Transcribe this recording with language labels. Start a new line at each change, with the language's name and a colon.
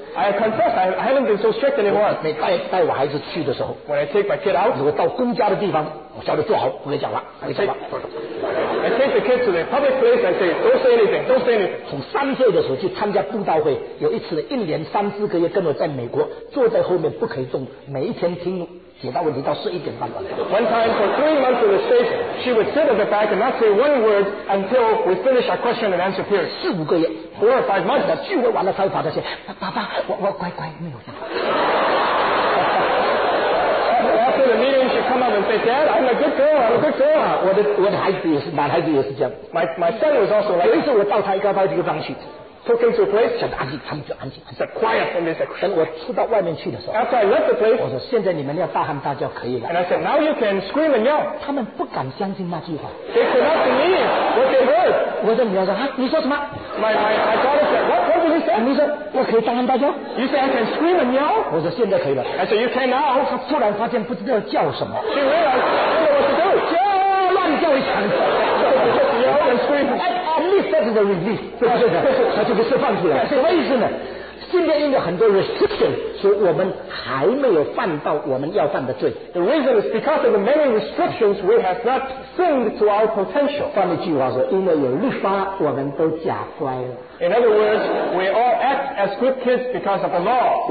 English: I confess, I haven't been so strict anymore.
Chinese: 每带我孩子去的时候
English: ，When I take my kid out,
Chinese: 我到公家的地方，我叫他坐好，不可以讲话，不可以讲话。
English: I take the kid to the public place and say, "Don't say anything, don't say anything."
Chinese: 从三岁的时候去参加布道会，有一次一连三四个月跟我在美国坐在后面不可以动，每一天听。解答问题到十一点半了。
English: One time for 3 months in the States, she would sit at the back and not say one word until we finish our question and answer period.
Chinese: 四五个月
English: ，four or five months.
Chinese: 聚会完了，她会跑到前，爸爸，我乖乖没有。
English: After the meeting, she'd come up and say, "Dad, I'm a good girl. I'm a good girl."
Chinese: 我的孩子也是，男孩子也是这样。
English: My son was also like.
Chinese: 有一次我到他一个到一个房去。
English: Took him to a place.
Chinese: 想安静，他们就安静。
English: I said quiet, and they said.
Chinese: 等我出到外面去的时候
English: ，After I left the place,
Chinese: 我说现在你们要大喊大叫可以了。
English: And I said now you can scream and yell.
Chinese: 他们不敢相信那句话。
English: They could not believe what they heard.
Chinese: 我说你要说哈，你说什么
English: ？My daughter said what did he say?
Chinese: 你说我可以大喊大叫。
English: You said I can scream and yell.
Chinese: 我说现在可以了。
English: I said you can now.
Chinese: 他突然发现不知道叫什么。
English: She realized what to do.
Chinese: 叫乱叫一场。
English: At least that is a relief.
Chinese: 他就给释放出来了。什么意思呢？今天因为很多 restriction， 所以我们还没有犯到我们要犯的罪。
English: The reason is because of the many restrictions we have not sinned to our potential.
Chinese: 换一句话说，因为有律法，我们都假乖了。
English: In other words, we all act as good kids because of the law.